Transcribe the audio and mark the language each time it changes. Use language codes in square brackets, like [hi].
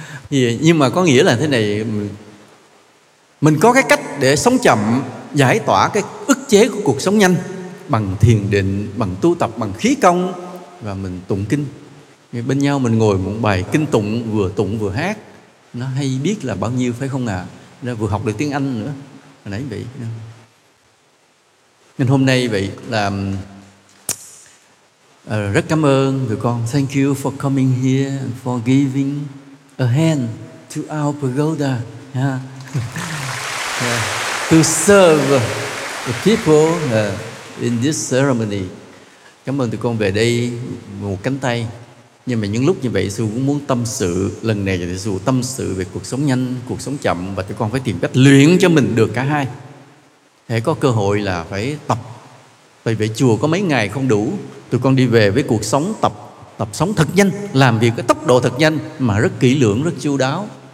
[vi] Nhưng mà có nghĩa là thế này, mình có cái cách để sống chậm, giải tỏa cái ức chế của cuộc sống nhanh bằng thiền định, bằng tu tập, bằng khí công, và mình tụng kinh. Bên nhau mình ngồi một bài kinh tụng, vừa tụng vừa hát, nó hay biết là bao nhiêu phải không ạ? À? Vừa học được tiếng Anh nữa hồi nãy vậy. Nên hôm nay vậy là rất cảm ơn tụi con. [en] Thank you for coming here and for giving a hand to our pagoda, yeah. To serve the people in this ceremony. [vi] Cảm ơn tụi con về đây một cánh tay. Nhưng mà những lúc như vậy sư cũng muốn tâm sự, lần này thì sư tâm sự về cuộc sống nhanh, cuộc sống chậm, và tụi con phải tìm cách luyện cho mình được cả hai. Hễ có cơ hội là phải tập. Tại vì chùa có mấy ngày không đủ, tụi con đi về với cuộc sống tập, tập sống thật nhanh, làm việc cái tốc độ thật nhanh mà rất kỹ lưỡng, rất chu đáo.